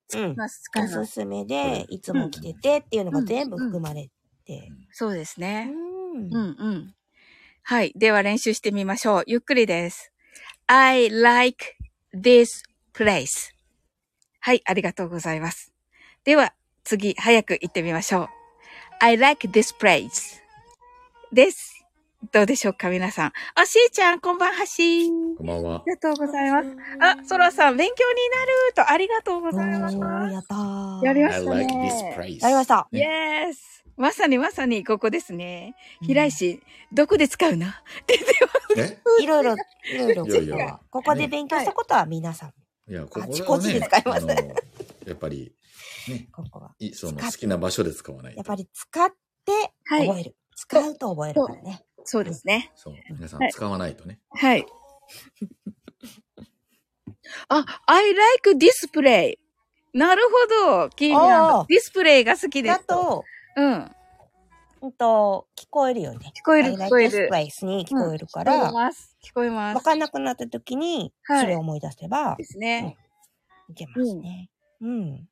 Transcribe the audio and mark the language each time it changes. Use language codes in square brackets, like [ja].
[ja] うん、おすすめでいつも来ててっていうのが全部含まれて、うんうん、そうですね、うん、うんうん、はい、では練習してみましょう。ゆっくりです。 [en] I like this place。 [ja] はい、ありがとうございます。では次、早く行ってみましょう。 [en] I like this place です。 [ja] どうでしょうか、皆さん。あ、しーちゃん、こんばんは、しー。こんばんは。ありがとうございます。あ、そらさん、勉強になる、と、ありがとうございます。やったー。 [en] やりましたね。I like this [ja] place. やりました。イエース。まさにまさに、ここですね。平石、どこで使うな、出てます。 いろいろ、いろいろ。いやいや、ここで勉強したことは皆さん。いや、ここは、ね、あちこちで使いますやっぱり、ね、ここは。その好きな場所で使わないと。やっぱり使って、覚える、はい。使うと覚えるからね。そうですね。そう、皆さん使わないとね。はい。 [en] はい、あ、I like display。 [ja] なるほど、キーミランド。ディスプレイが好きです。だと、うん。聞こえるよね。聞こえる、聞こえる。ディスプレイスに聞こえるから。聞こえます。聞こえます。分かんなくなった時に、それを思い出せば。はい、ですね、うん。いけますね。うん。